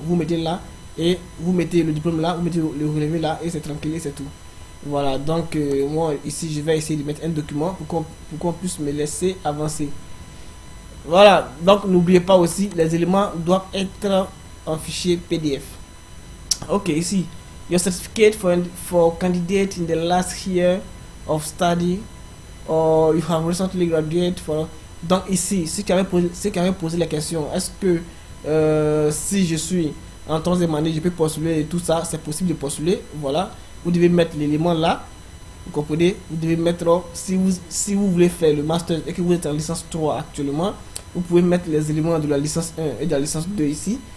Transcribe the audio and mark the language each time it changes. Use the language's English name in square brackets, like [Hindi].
[French] Vous mettez là et vous mettez le diplôme là, vous mettez le relevé là et c'est tranquille, c'est tout. Voilà, donc moi ici je vais essayer de mettre un document pour qu'on puisse me laisser avancer. Voilà, donc n'oubliez pas aussi, les éléments doivent être en fichier PDF. [English] Ok, [French] ici, [English] your certificate for candidate in the last year of study, or you have recently graduated for. [French] Donc ici, ceux qui avaient posé la question, est-ce que si je suis en troisième année, je peux postuler et tout ça, c'est possible de postuler, voilà. Vous devez mettre l'élément là, vous comprenez? Vous devez mettre, si vous voulez faire le master et que vous êtes en licence 3 actuellement, vous pouvez mettre les éléments de la licence 1 et de la licence 2 ici.